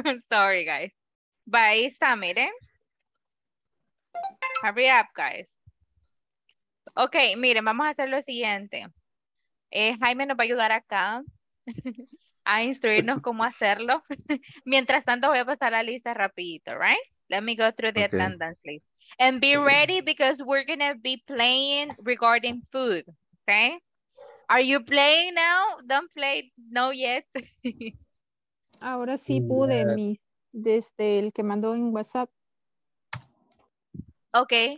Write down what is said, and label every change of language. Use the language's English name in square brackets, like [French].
[English] Sorry, guys. [Spanish] Va, ahí está, miren. [English] Hurry up, guys. [Spanish] Ok, miren, vamos a hacer lo siguiente. Jaime nos va a ayudar acá a instruirnos cómo hacerlo. Mientras tanto, voy a pasar la lista rapidito, right? [English] Let me go through the attendance list. And be ready because we're going to be playing regarding food, okay? Are you playing now? Don't play, no yet. [Spanish] Ahora sí pude, mi, desde el que mandó en WhatsApp. Ok.